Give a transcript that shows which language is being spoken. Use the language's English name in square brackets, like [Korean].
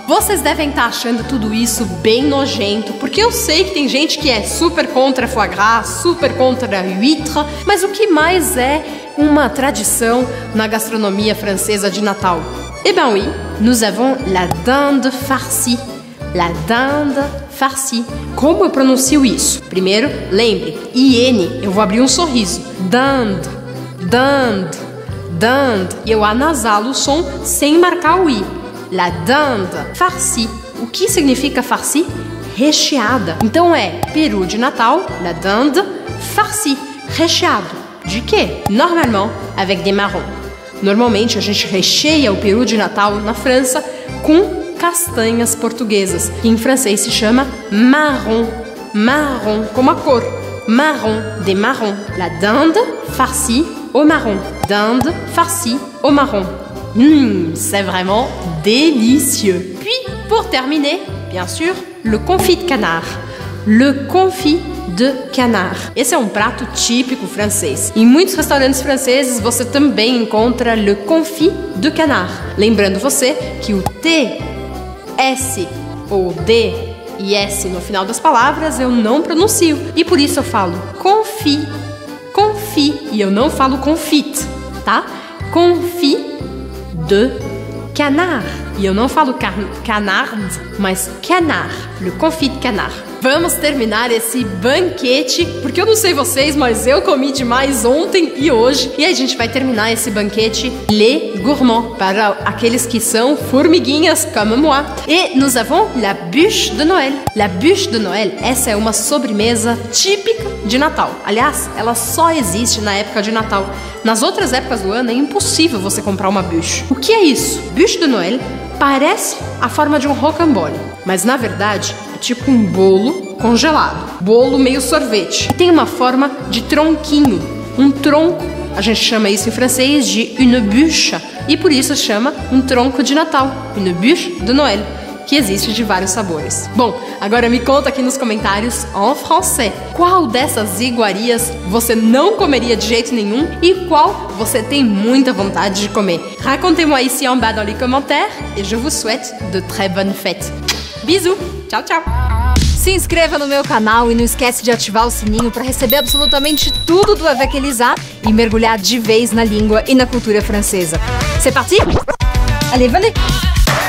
[Portuguese] Vocês devem estar achando tudo isso bem nojento, porque eu sei que tem gente que é super contra foie gras, super contra huître, mas o que mais é uma tradição na gastronomia francesa de Natal? [French] Eh bien oui, nous avons la dinde farcie. [Portuguese] La dinde farcie. Como eu pronuncio isso? Primeiro, lembre, IN, eu vou abrir um sorriso. [French] Dinde, dinde, dinde. [Portuguese] E eu anasalo o som sem marcar o I. La dinde farcie. O que significa farcie? Recheada. Então é peru de Natal, la dinde farcie. Recheado. De quê? [French] Normalement, avec des marrons. [Portuguese] Normalmente a gente recheia o peru de Natal na França com castanhas portuguesas, que em francês se chama marron, marron, como a cor, marron, des marrons, [French] la dinde farcie au marron, dinde farcie au marron, c'est vraiment délicieux. Puis, pour terminer, bien sûr, le confit de canard, le confit de canard. [Portuguese] Esse é um prato típico francês. Em muitos restaurantes franceses, você também encontra le confit de canard. Lembrando você que o T, S ou D e S no final das palavras eu não pronuncio. E por isso eu falo confit, confit, e eu não falo confit, tá? Confit de canard. E eu não falo canard, mas canard, le confit de canard. Vamos terminar esse banquete, porque eu não sei vocês, mas eu comi demais ontem e hoje. E a gente vai terminar esse banquete le gourmand, para aqueles que são formiguinhas, [French] comme moi. Et nous avons la bûche de Noël. [Portuguese] La bûche de Noël, essa é uma sobremesa típica de Natal. Aliás, ela só existe na época de Natal. Nas outras épocas do ano, é impossível você comprar uma bûche. O que é isso? Bûche de Noël parece a forma de um rocambole, mas na verdade tipo um bolo congelado, bolo meio sorvete. E tem uma forma de tronquinho, um tronco. A gente chama isso em francês de une bûche, e por isso chama um tronco de Natal, une bûche de Noël, que existe de vários sabores. Bom, agora me conta aqui nos comentários, en français, qual dessas iguarias você não comeria de jeito nenhum e qual você tem muita vontade de comer. [French] Racontez-moi ici en bas dans les commentaires et je vous souhaite de très bonnes fêtes. Bisous! [Portuguese] Tchau, tchau! Se inscreva no meu canal e não esquece de ativar o sininho para receber absolutamente tudo do Avec Elisa e mergulhar de vez na língua e na cultura francesa. [French] C'est parti? Allez, venez!